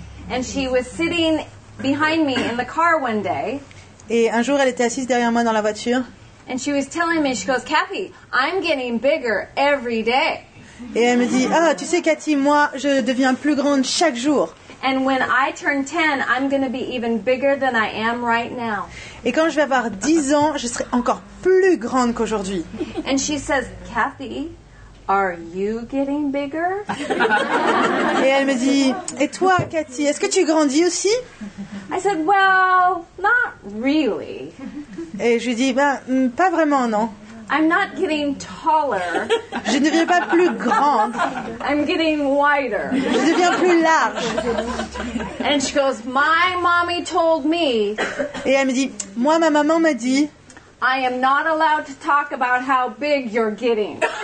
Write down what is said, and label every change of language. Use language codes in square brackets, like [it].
[en] And she was sitting behind me in the car one day. [fr] Et un jour elle était assise derrière moi dans la voiture. [en] And she was telling me, she goes, "Kathy, I'm getting bigger every day." [fr] Et elle me dit, "Ah, tu sais Cathy, moi je deviens plus grande chaque jour." [en] And when I turn 10, I'm going to be even bigger than I am right now. [fr] Et quand je vais avoir 10 ans, je serai encore plus grande qu'aujourd'hui. [en] And she says, "Kathy, are you getting bigger?" [fr] Et elle me dit, "Et toi Cathy, est-ce que tu grandis aussi?" [en] I said, "Well, not really." [fr] Et je lui dis, "Ben, pas vraiment non." [en] I'm not getting taller. [fr] Je ne deviens pas plus grande. [en] I'm getting wider. [fr] Je deviens plus large. [en] And she goes, "My mommy told me." [fr] Et elle me dit, "Moi, ma maman m'a dit." [en] "I am not allowed to talk about how big you're getting."